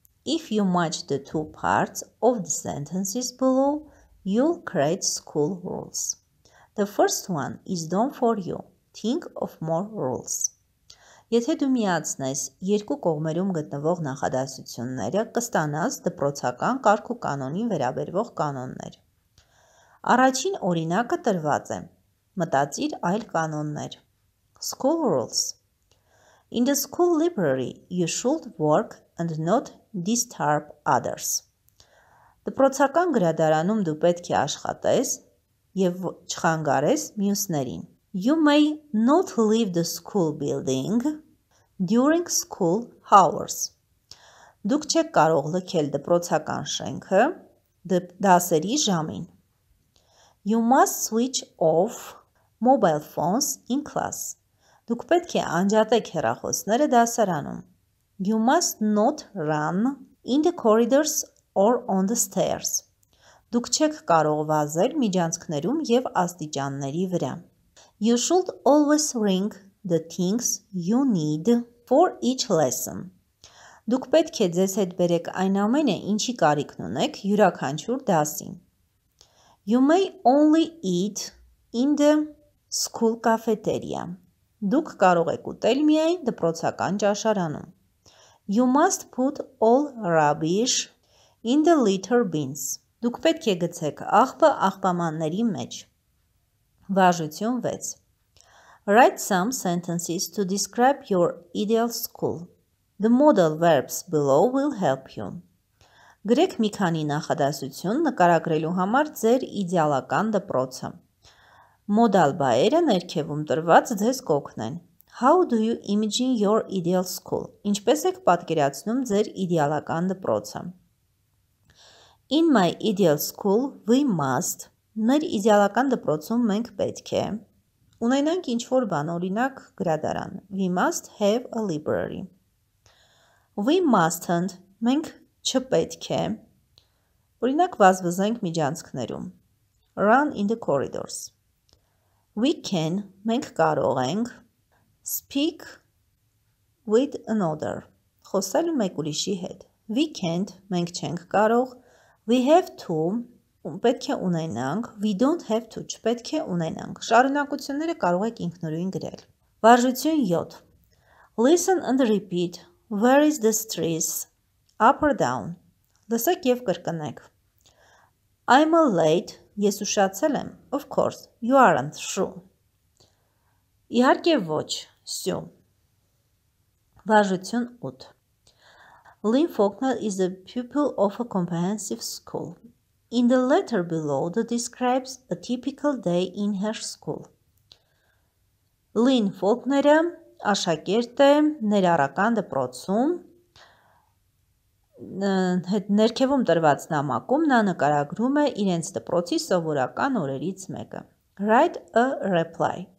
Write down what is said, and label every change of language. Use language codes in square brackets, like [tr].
[en] If you match the two parts of the sentences below, you'll create school rules. The first one is done for you. Think of more rules. [hy] Եթե դու միացնես երկու կողմերում գտնվող նախադասությունները, կստանաս դպրոցական կարգ ու կանոնին վերաբերվող կանոններ։ Առաջին օրինակը տրված է. Մտածիր այլ կանոններ։ [en] School rules. In the school library, you should work and not disturb others. [hy] Դպրոցական գրադարանում դու պետք է աշխատես և չխանգարես մյուսներին։ [en] You may not leave the school building during school hours. [hy] Դուք չեք կարող լքել դպրոցական շենքը դասերի ժամին. [en] You must switch off mobile phones in class. [hy] Դուք պետք է անջատեք հեռախոսները դասարանում. [en] You must not run in the corridors or on the stairs. [hy] Դուք չեք կարող վազել միջանցքներում և աստիճանների վրա. [en] You should always bring the things you need for each lesson. [hy] Դուք պետք է ձեզ հետ բերեք այն ամենը, ինչի կարիքն ունեք յուրաքանչյուր դասին. [en] You may only eat in the school cafeteria. [hy] Դուք կարող եք ուտել միայն դպրոցական ճաշարանում. [en] You must put all rubbish in the litter bins. [hy] Դուք պետք է գցեք աղբը աղբամանների մեջ. Վարժություն 6. [en] Write some sentences to describe your ideal school. The model verbs below will help you. [hy] Գրեք մի քանի նախադասություն նկարագրելու համար ձեր իդեալական դպրոցը. Մոդալ բայերը ներքևում տրված ձեզ կօգնեն. [en] How do you imagine your ideal school? [hy] Ինչպես եք պատկերացնում ձեր իդեալական դպրոցը. [en] In my ideal school, we must... [hy] Մեր իդեալական դպրոցում մենք պետք է ունենանք ինչ-որ բան, օրինակ գրադարան. [en] We must have a library. We mustn't. [hy] Մենք չպետք է օրինակ վազվզենք միջանցքներում. [en] Run in the corridors. We can. [hy] Մենք կարող ենք [en] speak with another. [hy] Խոսել մեկ ուրիշի հետ. [en] We can't. [hy] Մենք չենք կարող. [en] We have to. [hy] Պետք է ունենանք, [en] we don't have to, [hy] չպետք է ունենանք, շարունակությունները կարող եք ինքնուրույն գրել։ Վարժություն 7. [en] Listen and repeat, where is the stress, up or down? [hy] Լսեք և կրկնեք։ [en] I'm a late, [hy] ես ուշացել եմ, [en] of course, you aren't, sure. [hy] Իհարկե ոչ, սյու։ Վարժություն 8. [en] Lynn Faulkner is a pupil of a comprehensive school. In the letter below, that describes a typical day in her school. [hy] Lynn Faulkner-ը աշակերտ է ներառական դպրոցում, ներքևում տրված նամակում նա նկարագրում է իրենց դպրոցի սովորական օրերից մեկը. [en] Write a reply.